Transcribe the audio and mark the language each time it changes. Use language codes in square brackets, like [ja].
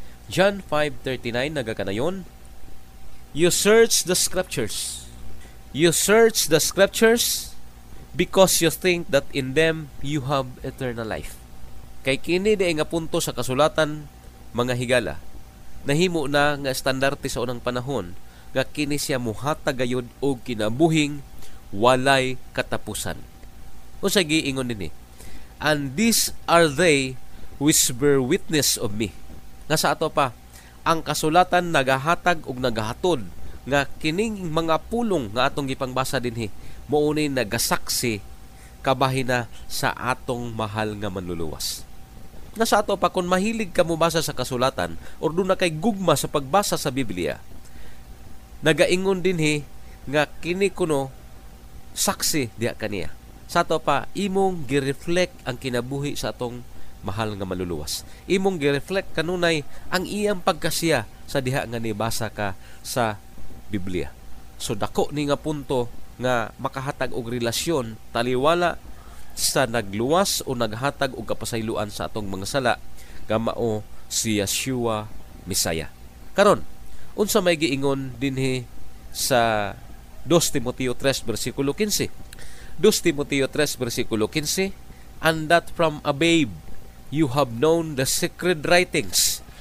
[en] John 5:39 [ceb] nagakanayon, [en] You search the scriptures because you think that in them you have eternal life. [ceb] Kay kini diya nga punto sa kasulatan, mga higala, nahimo na nga standarte sa unang panahon nga kini siya muhatag gayud og kinabuhing walay katapusan. Usay giingon dinhi, [en] and these are they which bear witness of me. [ceb] Nga sa ato pa, ang kasulatan nagahatag og nagahatod nga kining mga pulong nga atong gipangbasa dinhi mauni nagasaksi kabahina sa atong mahal nga manluluwas. Nga sa ato pa, kung mahilig ka mubasa sa kasulatan o doon na kay gugma sa pagbasa sa Biblia, nagaingon dinhi nga kini kuno saksi diya kaniya. Sa ato pa, imong gireflect ang kinabuhi sa atong mahal nga maluluwas. Imong gireflect kanunay ang iyang pagkasiya sa diha nga nibasa ka sa Biblia. So dako ni nga punto nga makahatag og relasyon taliwala sa nagluwas o naghatag og kapasayloan sa atong mga sala nga mao si Yeshua Messiah. Karon, unsa may giingon dinhi sa 2 Timoteo 3, versikulo 15. 2 Timoteo 3, versikulo 15. [en] And that from a babe you have known the secret writings.